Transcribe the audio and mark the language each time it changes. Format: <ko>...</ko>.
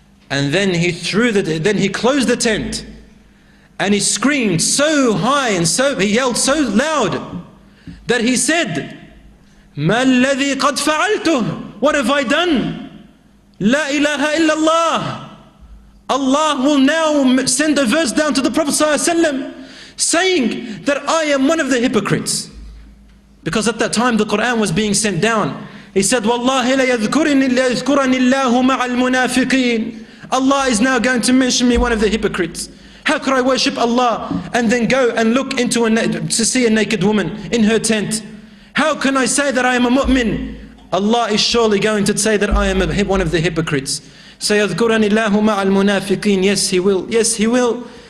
<en>And then he closed the tent and he screamed so high and so, he yelled so loud that he said,</en> <ar>مَا الَّذِي قَدْ فَعَلْتُهُ.</ar> <en>What have I done?</en> <ar>لا إله إلا الله.</ar> <en>Allah will now send a verse down to the Prophet sallallahu alaihi wasallam saying that I am one of the hypocrites. Because at that time the Quran was being sent down. He said,</en> <ar>وَاللَّهِ لَيَذْكُرَنِ اللَّهُ مَعَ الْمُنَافِقِينَ.</ar> <en>Allah is now going to mention me one of the hypocrites. How could I worship Allah and then go and look into to see a naked woman in her tent? How can I say that I am a mu'min? Allah is surely going to say that I am one of the hypocrites.</en> <ar>سَيَذْكُرَنِ اللَّهُ مَعَ الْمُنَافِقِينَ.</ar> <en>Yes, he will. Yes, he will.</en>